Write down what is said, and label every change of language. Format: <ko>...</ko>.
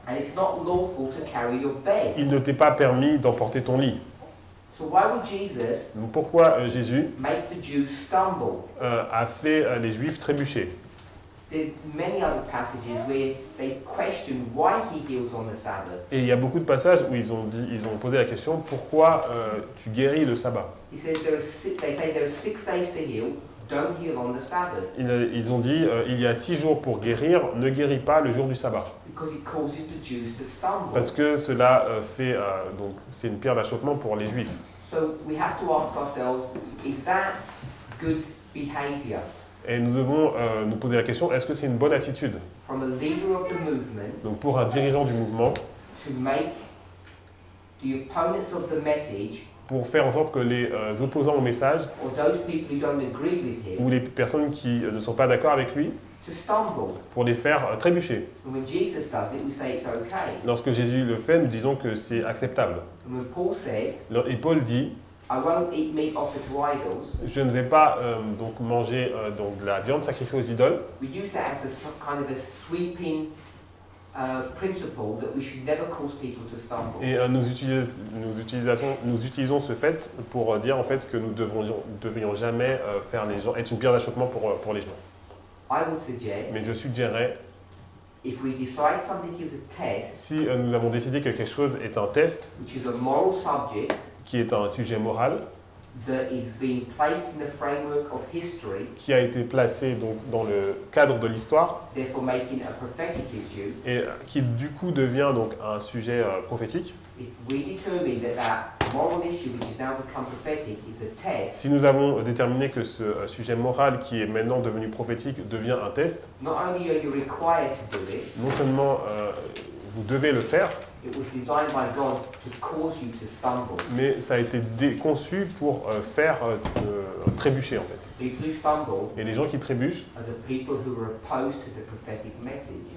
<en>and it's not lawful to carry your bed.</en> <fr>Il ne t'est pas permis d'emporter ton lit.</fr> <en>So why would Jesus</en> <fr>pourquoi Jésus</fr> <en>make the Jews stumble?</en> <fr>A fait les Juifs trébucher?</fr> <en>There's many other passages where they question why he heals on the Sabbath.</en> <fr>Et il y a beaucoup de passages où ils ont posé la question pourquoi tu guéris le sabbat?</fr> <en>He says there are 6 days to heal. Don't heal on the Sabbath.</en> <fr>Ils ont dit il y a 6 jours pour guérir. Ne guéris pas le jour du sabbat.</fr> <en>Because it causes the Jews to stumble.</en> <fr>Parce que cela donc c'est une pierre d'achoppement pour les Juifs.</fr> <en>So we have to ask ourselves, is that good behavior?</en> <fr>Et nous devons nous poser la question, est-ce que c'est une bonne attitude?</fr> <en>From a leader of the movement,</en> <fr>donc pour un dirigeant du mouvement,</fr> <en>to make the opponents of the message,</en> <fr>pour faire en sorte que les opposants au message,</fr> <en>or those people who don't agree with him,</en> <fr>ou les personnes qui ne sont pas d'accord avec lui,</fr> <en>to stumble.</en> <fr>Pour les faire trébucher.</fr> <en>And when Jesus does it, we say it's okay.</en> <fr>Lorsque Jésus le fait, nous disons que c'est acceptable.</fr> <en>And when Paul says,</en> <fr>et Paul dit,</fr> <en>I won't eat meat offered to idols.</en> <fr>Je ne vais pas donc manger donc de la viande sacrifiée aux idoles.</fr> <en>We use that as a kind of a sweeping principle that we should never cause people to stumble.</en> <fr>Et nous utilisons ce fait pour dire en fait que nous devrions jamais faire les gens être une pierre d'achoppement pour les gens.</fr> <en>I would suggest.</en> <fr>Mais je suggérerais.</fr> <en>If we decide something is a test.</en> <fr>Si nous avons décidé que quelque chose est un test.</fr> <en>Which is a moral subject.</en> <fr>Qui est un sujet moral,</fr> <en>that is being placed in the framework of history,</en> <fr>qui a été placé donc dans le cadre de l'histoire,</fr> <en>therefore making a prophetic issue,</en> <fr>et qui du coup devient donc un sujet prophétique.</fr> <en>If we determine that moral issue which has now become prophetic is a test,</en> <fr>si nous avons déterminé que ce sujet moral qui est maintenant devenu prophétique devient un test,</fr> <en>not only are you required to do it,</en> <fr>non seulement vous devez le faire.</fr> <en>It was designed by God to cause you to stumble.</en> <fr>Mais ça a été conçu pour faire trébucher en fait.</fr> <en>People who stumble</en> <fr>et les gens qui trébuchent</fr> <en>are the people who are opposed to the prophetic message.</en>